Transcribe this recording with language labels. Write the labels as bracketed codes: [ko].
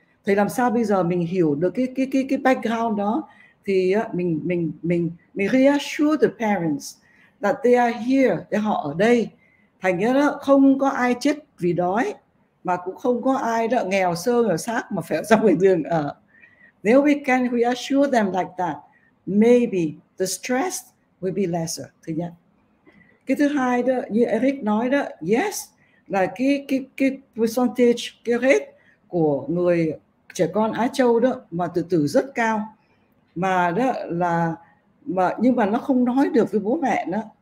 [vi] Thì làm sao bây giờ mình hiểu được cái background đó, thì mình [en] reassure the parents that they are here, that [vi] họ ở đây. Thành ra đó không có ai chết vì đói, mà cũng không có ai đó nghèo sơ nghèo xác mà phải ra ngoài đường ở. Nếu [en] we can reassure them like that, maybe the stress will be lesser. [vi] Thứ nhất. Cái thứ hai đó, như Eric nói đó, yes, là cái percentage, cái rate của người trẻ con Á Châu đó mà tự tử rất cao, mà đó là mà nhưng mà nó không nói được với bố mẹ nó.